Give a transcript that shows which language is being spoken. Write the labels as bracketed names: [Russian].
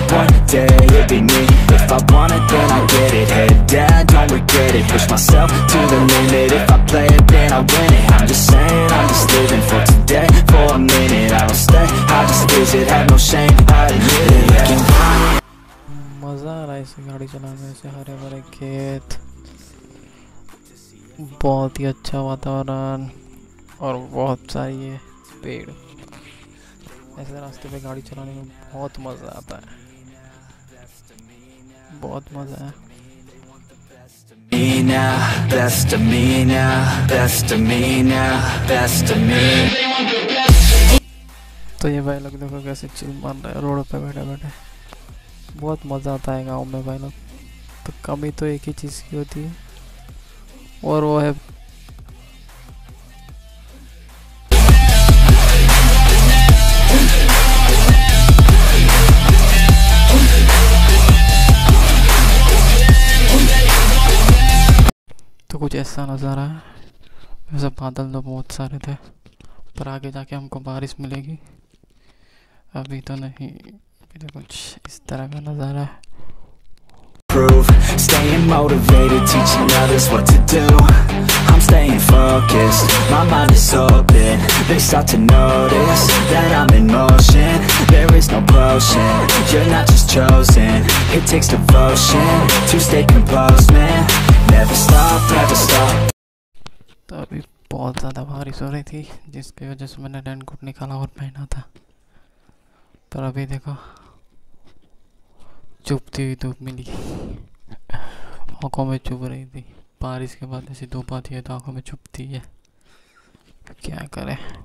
[English] One day, it'll be me. If I want it, then I get it. Head down, don't regret it. Push myself to the limit. If I play it, then I win it. I'm just saying, I'm just living for today. For a minute, I don't stay, I just lose it. Have no shame, I admit it, yeah. [Hindi] मजा आ रहा है इसे गाड़ी चलाने से। हरे भरे खेत, बहुत ही अच्छा वातावरण और बहुत सारे पेड़। ऐसे रास्ते पे गाड़ी चलाने में बहुत मज़ा आता है, बहुत मज़ा है। [English] Me now, best of me now, best of me now, best of me. [Hindi] तो ये भाई लोग देखो कैसे चिल मार रहे हैं रोड पे बैठे बैठे, बहुत मज़ा आता है गांव में भाई लोग। तो कमी तो एक ही चीज़ की होती है और वो है तो कुछ ऐसा नज़ारा है। वैसे बादल तो बहुत सारे थे पर आगे जाके हमको बारिश मिलेगी, अभी तो नहीं। कुछ इस तरह का नजारा है। [English] Prove, staying motivated, teaching others what to do. I'm staying focused, my mind is open. They start to notice that I'm in motion. There is no potion, you're not just chosen. It takes devotion to stay composed, man. Never stop, never stop. [Hindi] तो अभी बहुत ज़्यादा बारिश हो रही थी जिसकी वजह से मैंने रेनकोट निकाला और पहना था, पर अभी देखो चुभती हुई धूप मिली आँखों में चुभ रही थी। बारिश के बाद ऐसी धूप आती है तो आँखों में चुभती है, क्या करें।